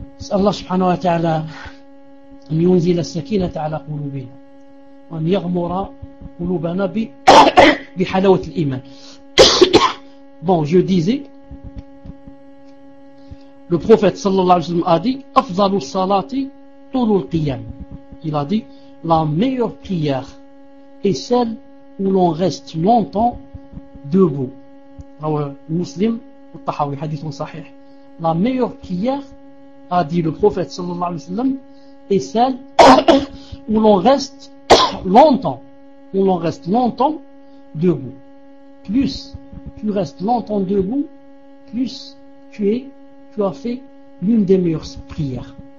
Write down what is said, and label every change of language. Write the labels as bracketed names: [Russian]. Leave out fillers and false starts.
[Arabic] Allah subhanahu wa ta'ala أن ينزل السكينة على قلوبنا وأن يغمر قلوبنا بحلاوة الإيمان. [French] Bon, je disais, le prophète صلى الله عليه وسلم a dit [Arabic] أفضل الصلاة طول القيام. [French] Il a dit la meilleure prière est celle où l'on reste longtemps debout. [Arabic] رواه مسلم والطحاوي حديث صحيح. [French] La meilleure prière, a dit le prophète صلى الله عليه وسلم, et celle où l'on reste longtemps, où l'on reste longtemps debout. Plus tu restes longtemps debout, plus tu as fait l'une des meilleures prières.